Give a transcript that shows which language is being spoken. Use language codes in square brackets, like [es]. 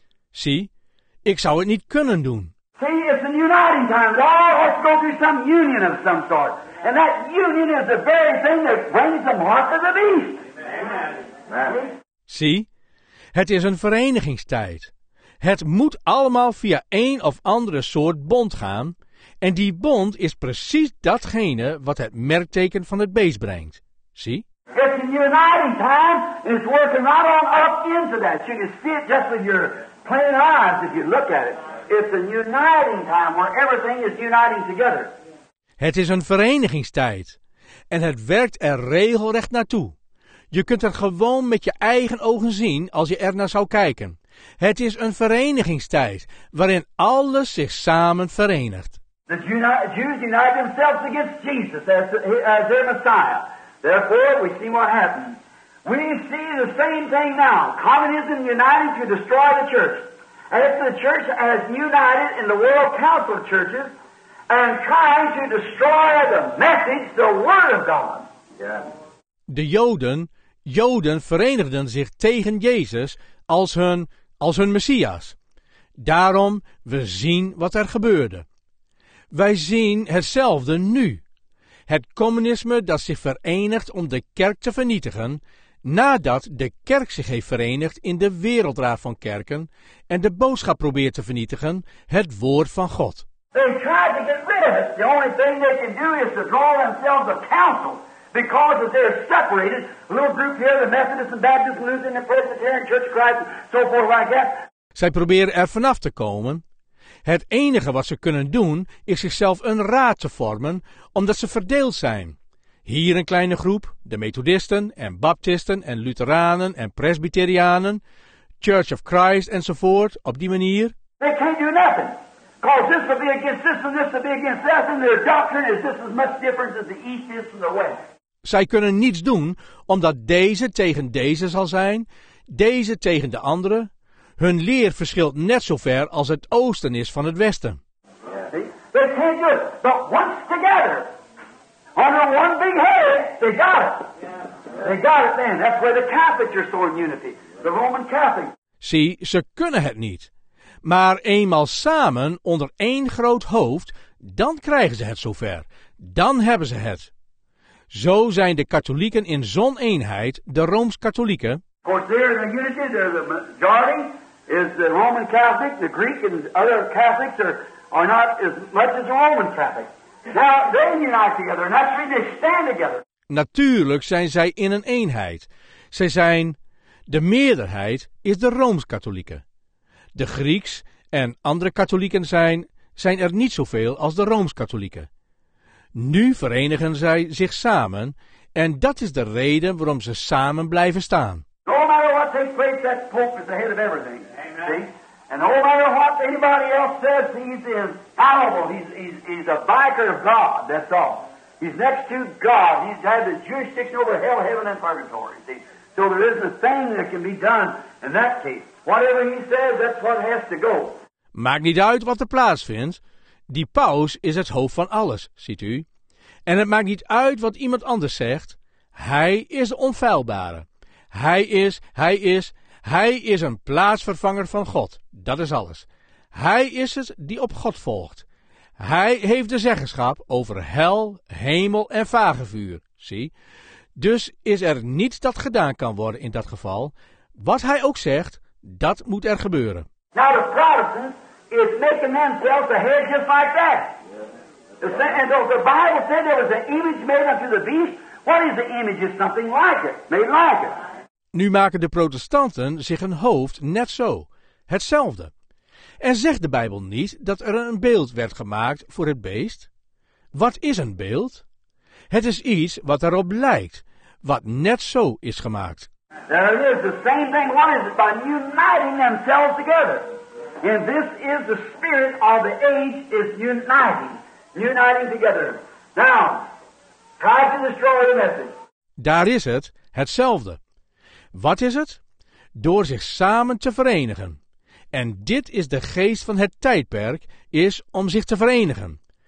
[nl] Zie, ik zou het niet kunnen doen. [en] See, it's an uniting time. We all have to go through some union of some sort. And that union is the very thing that brings the mark of the beast. Amen. [nl] Zie, het is een verenigingstijd. Het moet allemaal via een of andere soort bond gaan. En die bond is precies datgene wat het merkteken van het beest brengt. Zie? [en] It's a uniting time. And it's working right on up into that. You can see it just with your plain eyes if you look at it. It's a uniting time where everything is uniting together. [nl] Het is een verenigingstijd. En het werkt er regelrecht naartoe. Je kunt het gewoon met je eigen ogen zien als je er naar zou kijken. Het is een verenigingstijd waarin alles zich samen verenigt. [en] The Jews unite themselves against Jesus as their Messiah. Therefore, we see what happened. We see the same thing now. Communism united to destroy the church. And if the church has united in the World Council of Churches and trying to destroy the message, the Word of God. Yeah. [nl] De Joden verenigden zich tegen Jezus als hun Messias. Daarom, we zien wat er gebeurde. Wij zien hetzelfde nu. Het communisme dat zich verenigt om de kerk te vernietigen, nadat de kerk zich heeft verenigd in de Wereldraad van Kerken en de boodschap probeert te vernietigen, het woord van God. [en] They tried to get rid of it. The only thing they can do is to draw themselves a council. Because if they're separated, a little group here, the Methodists and Baptists, losing the Presbyterian Church of Christ, and so forth like that. [nl] Zij proberen er vanaf te komen. Het enige wat ze kunnen doen, is zichzelf een raad te vormen, omdat ze verdeeld zijn. Hier een kleine groep, de Methodisten en Baptisten en Lutheranen en Presbyterianen, Church of Christ enzovoort, op die manier. [en] They can't do nothing. Because this will be against this will be against that, and their doctrine is just as much different as the East is from the West. [nl] Zij kunnen niets doen, omdat deze tegen deze zal zijn, deze tegen de andere. Hun leer verschilt net zo ver als het Oosten is van het Westen. [en] They can't do it, but once together, under one big head, they got it. They got it then. That's where the Catholics are so in unity, the Roman Catholics. [nl] Zie, ze kunnen het niet. Maar eenmaal samen onder één groot hoofd, dan krijgen ze het zover. Dan hebben ze het. Zo zijn de katholieken in zo'n eenheid, de Rooms-Katholieken. [en] Of course, they're in the unity. The majority is the Roman Catholic. The Greek and other Catholics are not as much as the Roman Catholic. Now, they unite together. Naturally, they stand together. [nl] Natuurlijk zijn zij in een eenheid. Zij zijn, de meerderheid is de Rooms-Katholieken. De Grieks en andere katholieken zijn er niet zoveel als de Rooms-Katholieken. Nu verenigen zij zich samen en dat is de reden waarom ze samen blijven staan. [en] No matter what takes place, that Pope is the head of everything. See? And no matter what anybody else says, he's infallible. He's a vicar of God, that's all. He's next to God. He's had the jurisdiction over hell, heaven and purgatory. See? So there isn't a thing that can be done in that case. Whatever he says, that's what has to go. [nl] Maakt niet uit wat er plaatsvindt. Die paus is het hoofd van alles, ziet u. En het maakt niet uit wat iemand anders zegt. Hij is de onfeilbare. Hij is een plaatsvervanger van God. Dat is alles. Hij is het die op God volgt. Hij heeft de zeggenschap over hel, hemel en vagevuur, zie. Dus is er niets dat gedaan kan worden in dat geval. Wat hij ook zegt, dat moet er gebeuren. [en] Now the Protestants is making themselves a head just like that. And the Bible said there was an image made unto the beast. What is the image? It's something like it. Made like it. [nl] Nu maken de protestanten zich een hoofd net zo. Hetzelfde. En zegt de Bijbel niet dat er een beeld werd gemaakt voor het beest? Wat is een beeld? Het is iets wat erop lijkt, wat net zo is gemaakt. [en] There it is, the same thing. What is it? By uniting themselves together. And this is the spirit of the age, is uniting. uniting together. Now, try to destroy the message. [nl] Daar is het, hetzelfde. Wat is het? Door zich samen te verenigen. En dit is de geest van het tijdperk, is om zich te verenigen.